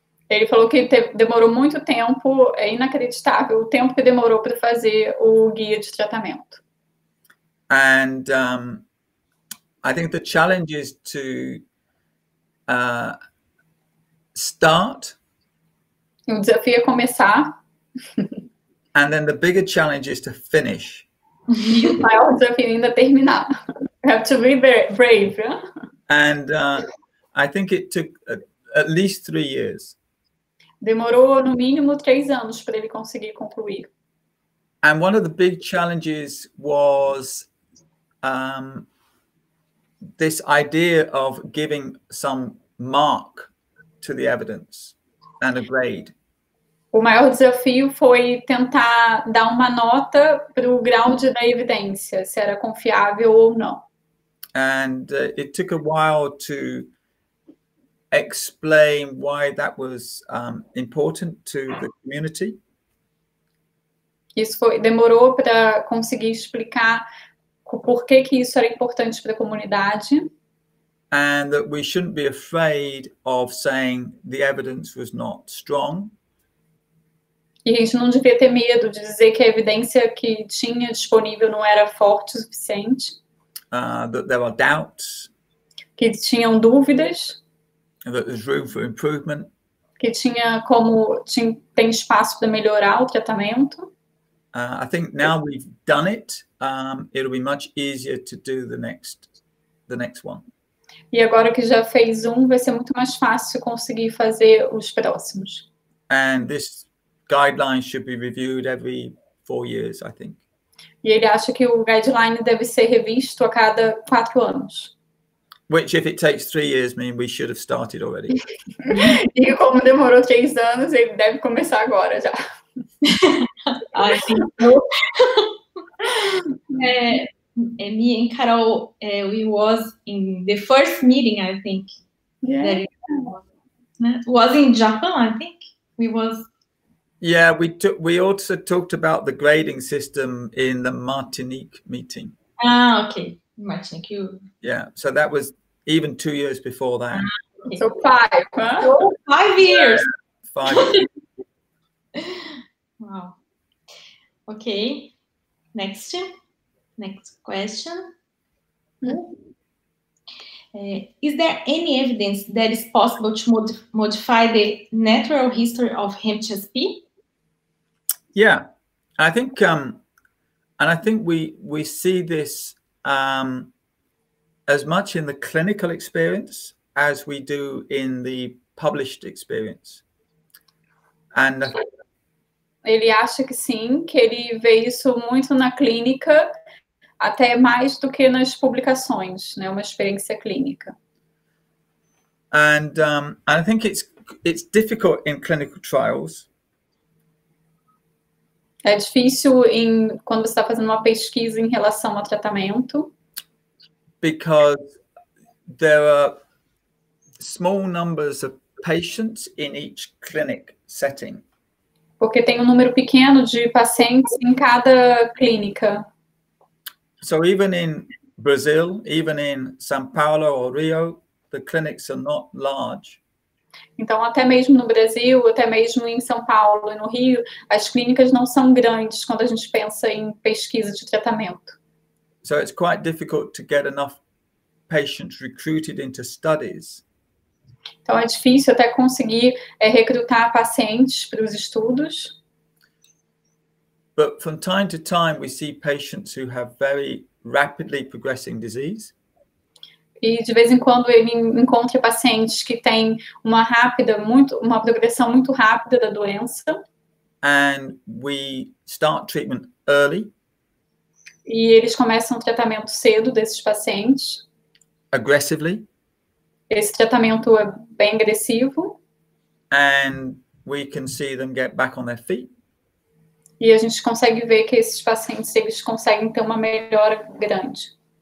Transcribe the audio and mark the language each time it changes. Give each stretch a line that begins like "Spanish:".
Portuguese: Ele falou que demorou muito tempo, é inacreditável o tempo que demorou para fazer o guia de tratamento.
English: And I think the challenge is to start.
Portuguese: O desafio é começar.
English: And then the bigger challenge is to finish.
Portuguese: E o maior desafio ainda é terminar.
English: You have to be very brave. Yeah? And I think it took at least 3 years.
Portuguese: Demorou no mínimo 3 anos para ele conseguir concluir.
English: And one of the big challenges was this idea of giving some mark to the evidence and a grade.
Portuguese: O maior desafio foi tentar dar uma nota para o grau de da evidência, se era confiável ou não.
English: And it took a while to explain why that was important to the community.
Portuguese: Isso foi, demorou para conseguir explicar por que que isso era importante para a comunidade.
English: And that we shouldn't be afraid of saying the evidence was not strong.
Portuguese: E a gente não devia ter medo de dizer que a evidência que tinha disponível não era forte o suficiente.
English: That there were doubts.
Portuguese: Que tinham dúvidas.
English: That there's room for improvement.
Portuguese: Que tinha como, tem espaço para melhorar o tratamento.
English: I think now we've done it, it'll be much easier to do the next one.
Portuguese: E agora que já fez um, vai ser muito mais fácil conseguir fazer os próximos.
English: And this guidelines should be reviewed every 4 years, I think.
Portuguese: E ele acha que o guideline deve ser revisto a cada 4 anos.
English: Which, if it takes 3 years, means we should have started already.
Portuguese: E como demorou 3 anos, ele deve começar agora já.
English: I think so. Me and Carol, we was in the first meeting, I think. Yeah. Was in Japan, I think. Yeah, we also talked about the grading system in the Martinique meeting. Ah, okay. Martinique. Yeah, so that was even 2 years before that. Okay. So five, huh? Oh, 5 years. Yeah, 5 years. Wow. Okay. Next question. Is there any evidence that it's possible to modify the natural history of HMHSP? Yeah, I think, and I think we see this as much in the clinical experience as we do in the published experience. And
Portuguese: ele acha que sim, que ele vê isso muito na clínica, até mais do que nas publicações, né? Uma experiência clínica.
English: And I think it's difficult in clinical trials.
Portuguese: É difícil em quando você está fazendo uma pesquisa em relação ao tratamento.
English: Because there are small numbers of patients in each clinic setting.
Portuguese: Porque tem um número pequeno de pacientes em cada clínica.
English: So even in Brazil, even in São Paulo or Rio, the clinics are not large.
Portuguese: Então até mesmo no Brasil, até mesmo em São Paulo e no Rio, as clínicas não são grandes quando a gente pensa em pesquisa de tratamento.
English: So it's quite difficult to get enough patients recruited into studies.
Portuguese: Então é difícil até conseguir recrutar pacientes para os estudos.
English: But from time to time, we see patients who have very rapidly progressing disease.
Portuguese: E de vez em quando ele encontra pacientes que têm uma progressão muito rápida da doença.
English: And we start treatment early.
Portuguese: E eles começam o tratamento cedo desses pacientes.
English: Aggressively.
Portuguese: Esse tratamento é bem agressivo.
English: And we can see them get back on their feet.
Portuguese: E a gente consegue ver que esses pacientes, eles conseguem ter uma melhora grande.